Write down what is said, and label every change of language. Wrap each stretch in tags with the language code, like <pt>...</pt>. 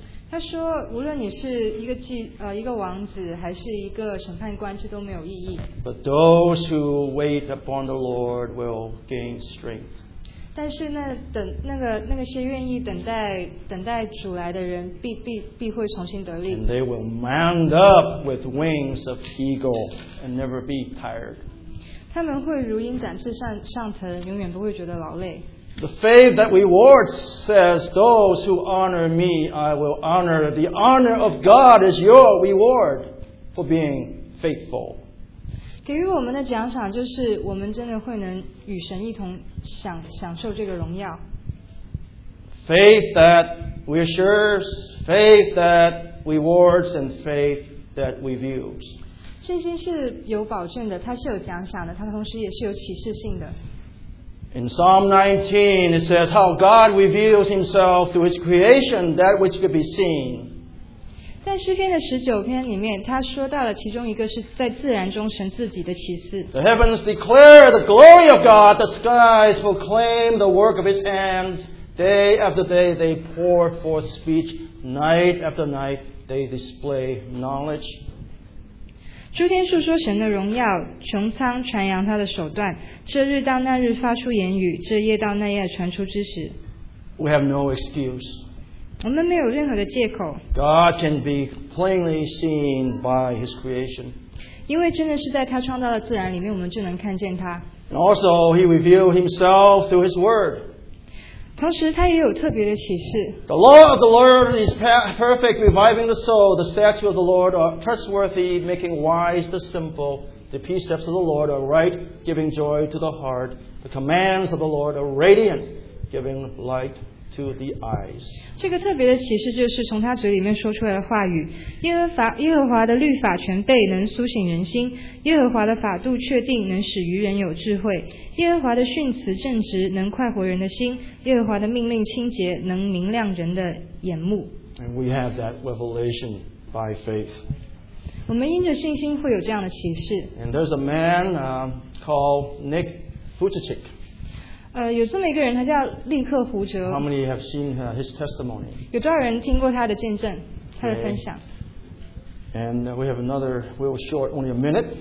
<zh>他说，无论你是一个王子，还是一个审判官，这都没有意义。</zh> <en>But those who wait upon the Lord will gain strength.</en> <zh>但是那些愿意等待主来的人必会重新得力。</zh> <en>And they will mount up with wings of eagle and never be tired.</en> <zh>他们会如鹰展翅上腾，永远不会觉得劳累。</zh> <en>The faith that rewards says, "Those who honor me, I will honor. The honor of God is your reward for being faithful."</en> <zh>给予我们的奖赏就是我们真的会能与神一同享受这个荣耀。</zh> <en>Faith that reassures faith that rewards and faith that reveals.</en> <zh>信心是有保证的，它是有奖赏的，它同时也是有启示性的。</zh> <en>In Psalm 19, it says how God reveals Himself through His creation, that which could be seen.</en> <zh>在诗篇的十九篇里面，他说到了其中一个是在自然中神自己的启示。</zh> <en>The heavens declare the glory of God; the skies proclaim the work of His hands. Day after day, they pour forth speech. Night after night, they display knowledge.</en> <zh>诸天述说神的荣耀，穹苍传扬他的手段。这日到那日发出言语，这夜到那夜传出知识。</zh> <en>We have no excuse.</en> <zh>我们没有任何的借口。</zh> <en>God can be plainly seen by His creation.</en> <zh>因为真的是在他创造的自然里面，我们就能看见他。</zh> <en>And also, He revealed Himself through His Word.</en> <zh>同时，他也有特别的启示。</zh> <en>The law of the Lord is perfect, reviving the soul. The statutes of the Lord are trustworthy, making wise the simple. The precepts of the Lord are right, giving joy to the heart. The commands of the Lord are radiant, giving light to the eyes.</en> <zh>这个特别的启示就是从他嘴里面说出来的话语。耶和华的律法全备，能苏醒人心；耶和华的法度确定，能使愚人有智慧。耶和华的训词正直，能快活人的心；耶和华的命令清洁，能明亮人的眼目。</zh> <en>And we have that revelation by faith.</en> <zh>我们因着信心会有这样的启示。</zh> <en>And there's a man called Nick Vujicic.</en> <zh>有这么一个人，他叫利克胡哲。</zh> <en>How many have seen his testimony?</en> <zh>有多少人听过他的见证，他的分享？</zh> <en>Okay. And we have another, we'll short only a minute.</en>